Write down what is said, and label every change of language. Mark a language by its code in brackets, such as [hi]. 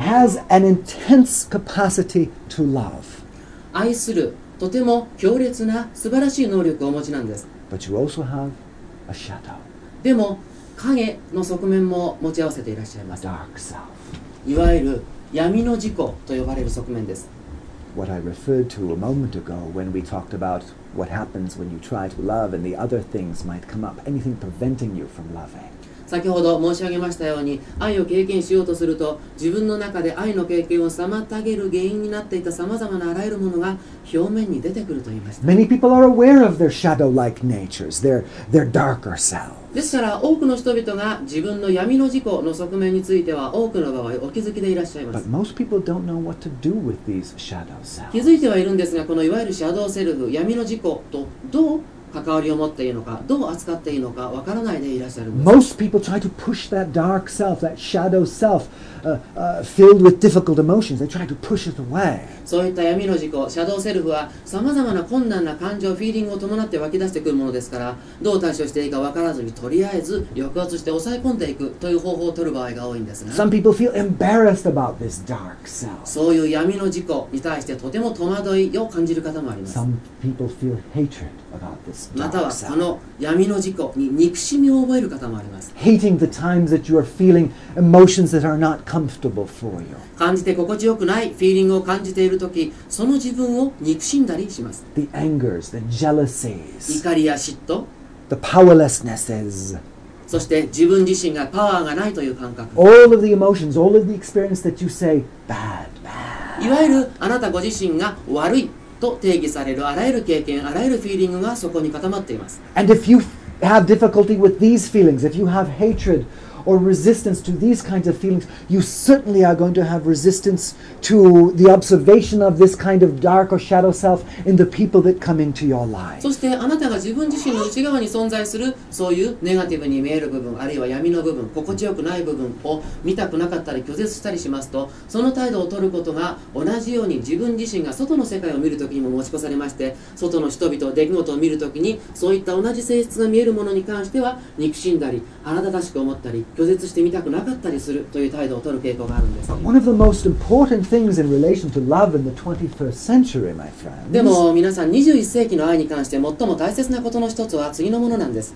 [en] has an intense capacity to love. [ja] 愛するとても強烈な素晴らしい能力をお持ちなんです [en] But you also have a shadow. [ja] でも影の側面も持ち合わせていらっしゃいます [en] a dark self. [ja] いわゆる闇の自己と呼ばれる側面です [en] What I referred to a moment ago when we talked about what happens when you try to love and the other things might come up anything preventing you from loving [ja] 先ほど申し上げましたように愛を経験しようとすると自分の中で愛の経験を妨げる原因になっていたさまざまなあらゆるものが表面に出てくると言いました [en] Many people are aware of their shadow-like natures, their darker selves. [ja] ですから多くの人々が自分の闇の自己の側面については多くの場合お気づきでいらっしゃいます [en] But most people don't know what to do with these shadow selves. [ja] 気づいてはいるんですがこのいわゆるシャドウセルフ闇の自己とどう関わりを持っているのか、どう扱っているのかわからないでいらっしゃるんです。 [en] Most people try to push that dark self, that shadow self, filled with difficult emotions. They try to push it away. [ja] そういった闇の自己、シャドウセルフは、さまざまな困難な感情、フィーリングを伴って湧き出してくるものですから、どう対処していいかわからずに、とりあえず抑圧して抑え込んでいくという方法を取る場合が多いんですが、 [en] Some people feel embarrassed about this dark self. [ja] そういう闇の自己に対してとても戸惑いを感じる方もあります。 [en] Some people feel hatred. About this [ja] またはこの闇の自己に憎しみを覚える方もあります。 [en] Hating the times that you are feeling emotions that are not comfortable for you. [ja] 感じて心地よくないフィーリングを感じているとき、その自分を憎しんだりします。 [en] The angers, the jealousies. [ja] 怒りや嫉妬。 [en] The powerlessnesses. [ja] そして自分自身がパワーがないという感覚 [en] All of the emotions, all of the experience that you say bad, bad. [ja] いわゆるあなたご自身が悪い。と定義されるあらゆる経験、あらゆるフィーリングがそこに固まっています。 [en] And if you have difficulty with these feelings, if you have hatred or resistance to these kinds of feelings, you certainly are going to have resistance to the observation of this kind of dark or shadow self in the people that come into your life. [ja] そしてあなたが自分自身の内側に存在するそういうネガティブに見える部分、あるいは闇の部分、心地よくない部分を見たくなかったり拒絶したりしますと、その態度を取ることが同じように自分自身が外の世界を見るときにも持ち越されまして、外の人々、出来事を見るときに、そういった同じ性質が見えるものに関しては、憎しんだり、腹立たしく思ったり、拒絶してみたくなかったりするという態度を取る傾向があるんです。 [en] But one of the most important things in relation to love in the 21st century, my friends, [ja] でも皆さん、21世紀の愛に関して最も大切なことの一つは次のものなんです。